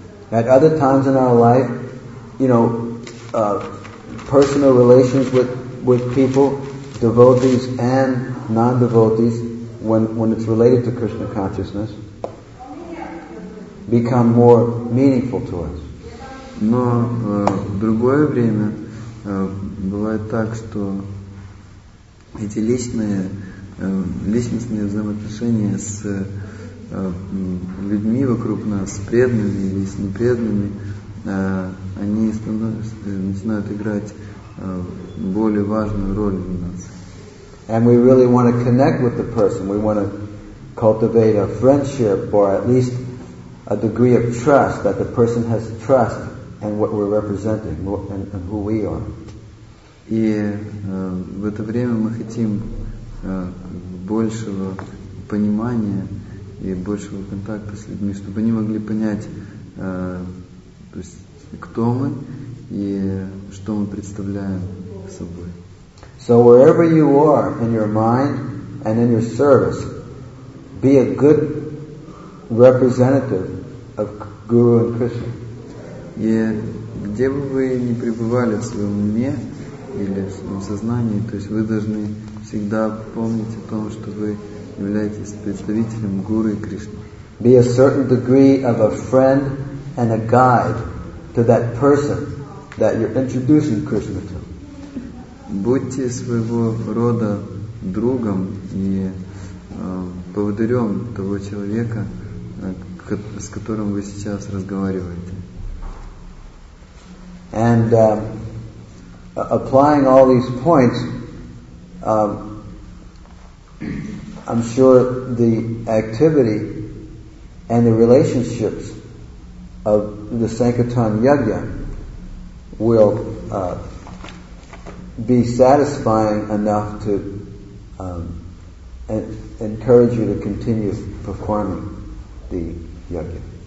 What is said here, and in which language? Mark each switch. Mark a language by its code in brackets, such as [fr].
[en] At other times in our life, you know, personal relations with people, devotees and non-devotees, when it's related to Krishna consciousness, become more meaningful to us. [ru] Но в другое время бывает так, что эти личностные взаимоотношения с людьми вокруг нас, преданными или с непреданными, они начинают играть более важную роль в нас. [en] And we really want to connect with the person. We want to cultivate a friendship, or at least a degree of trust, that the person has trust in what we're representing and who we are. [ru] И в это время мы хотим большего понимания и большего контакта с людьми, чтобы они могли понять, то есть, кто мы и что мы представляем собой. [en] So wherever you are in your mind and in your service, be a good representative of Guru and Krishna. [ru] И где бы вы ни пребывали в своем уме или в своем сознании, то есть вы должны всегда помнить о том, что вы являетесь представителем Гуру и Кришны. [en] Be a certain degree of a friend and a guide to that person that you're introducing Krishna to. [ru] Будьте своего рода другом и поводырем того человека, с которым вы сейчас разговариваете. [en] And applying all these points, I'm sure the activity and the relationships of the Sankirtan Yajna will be satisfying enough to encourage you to continue performing the Yajna.